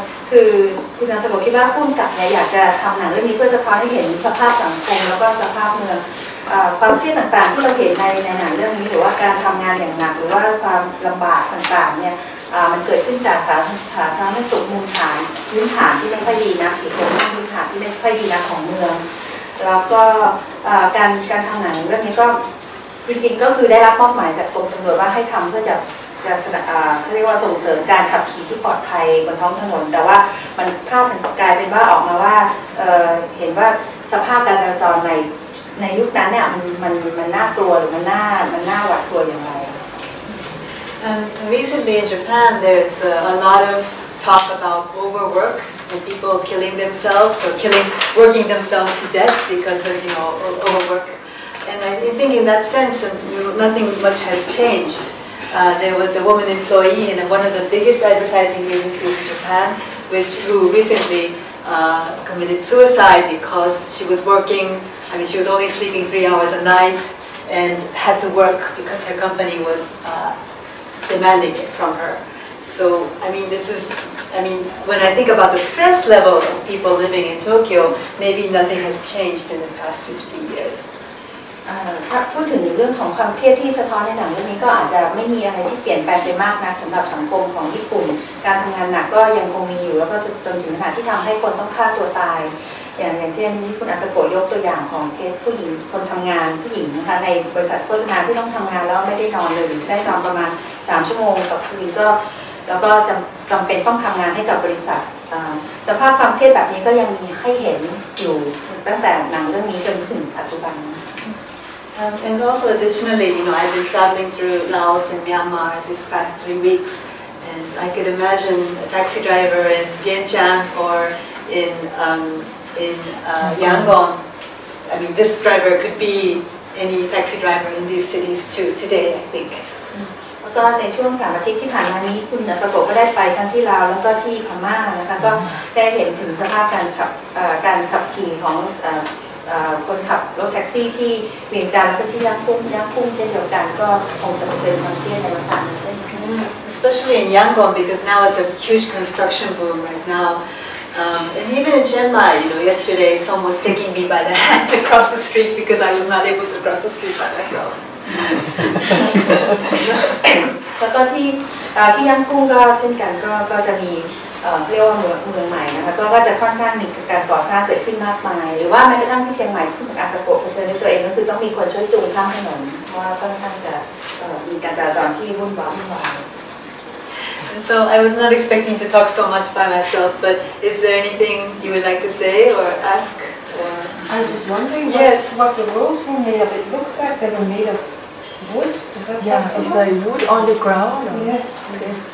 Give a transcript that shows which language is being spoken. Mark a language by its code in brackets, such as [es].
[th] คือคุณนางสมบูรณ์คิดว่าผู้กำกับอยากจะทำหนังเรื่องนี้เพื่อสะท้อนให้เห็นสภาพสังคมแล้วก็สภาพเมืองความเครียดต่างๆที่เราเห็นในหนังเรื่องนี้หรือว่าการทำงานอย่างหนักหรือว่าความลำบากต่างๆเนี่ยมันเกิดขึ้นจากสาธารณสุขมูลฐานพื้นฐานที่ไม่ค่อยดีนะอีกคนพื้นฐานที่ไม่ค่อยดีนะของเมืองแล้วก็การทำหนังเรื่องนี้ก็จริงๆก็คือได้รับมอบหมายจากกรมตำรวจว่าให้ทำเพื่อจะ เรียกว่าส่งเสริมการขับขี่ที่ปลอดภัยบนท้องถนนแต่ว่ามันภาพมันกลายเป็นว่าออกมาว่าเห็นว่าสภาพการจราจรในยุคนั้นเนี่ยมันน่ากลัวหรือมันน่าหวาดกลัวอย่างไร [en] Recently in Japan, there's a lot of talk about overwork and people killing themselves or working themselves to death because of, you know, overwork. And I think in that sense, nothing much has changed. There was a woman employee in one of the biggest advertising agencies in Japan who recently committed suicide because she was working, I mean, she was only sleeping 3 hours a night and had to work because her company was... demanding it from her. So, I mean, when I think about the stress level of people living in Tokyo, maybe nothing has changed in the past 50 years. [th] ถ้าพูดถึงเรื่องของความเครียดที่สะท้อนในหนังเรื่องนี้ก็อาจจะไม่มีอะไรที่เปลี่ยนแปลงไปมากนะสำหรับสังคมของญี่ปุ่นการทำงานหนักก็ยังคงมีอยู่แล้วก็จนถึงขนาดที่ทำให้คนต้องฆ่าตัวตายอย่างเช่นที่คุณอาสโกยกตัวอย่างของเคสผู้หญิงคนทำงานผู้หญิงนะคะในบริษัทโฆษณาที่ต้องทำงานแล้วไม่ได้นอนเลยได้นอนประมาณ3 ชั่วโมงกับคืนก็ แล้วก็จำเป็นต้องทำงานให้กับบริษัทสภาพความเครียดแบบนี้ก็ยังมีให้เห็นอยู่ตั้งแต่หนังเรื่องนี้จนถึงปัจจุบัน [en] And also additionally, you know, I've been traveling through Laos and Myanmar these past 3 weeks, and I could imagine a taxi driver in Vientiane or in Yangon. I mean, this driver could be any taxi driver in these cities too today, I think. [th] ก็ในช่วง3 อาทิตย์ที่ผ่านมานี้คุณนสโกก็ได้ไปทั้งที่ลาวแล้วก็ที่พม่านะคะก็ได้เห็นถึงสภาพการขับขี่ของคนขับรถแท็กซี่ที่เวียงจันทน์ก็ที่ย่างกุ้งเช่นเดียวกันก็คงจะเผชิญความเครียดในระดับนึงเช่นกัน [en] especially in Yangon because now it's a huge construction boom right now and even in Chiang Mai you know yesterday someone was taking me by the hand to cross the street because I was not able to cross the street by myself [th] แล้วก็ที่ย่างกุ้งก็เช่นกันก็จะมีเรียกว่าเมืองใหม่นะคะก็จะค่อนข้างมีการก่อสร้างเกิดขึ้นมากมายหรือว่าแม้กระทั่งที่เชียงใหม่ที่เมืองอาสโกะเผชิญด้วยตัวเองก็คือต้องมีคนช่วยจูงข้ามถนนเพราะว่าค่อนข้างจะมีการจราจรที่วุ่นวาย [en] And so I was not expecting to talk so much by myself but is there anything you would like to say or ask I was wondering what the rules were made of it looks like they were made of Wood? Is that possible? Yes, is there wood on the ground? Yeah. Okay.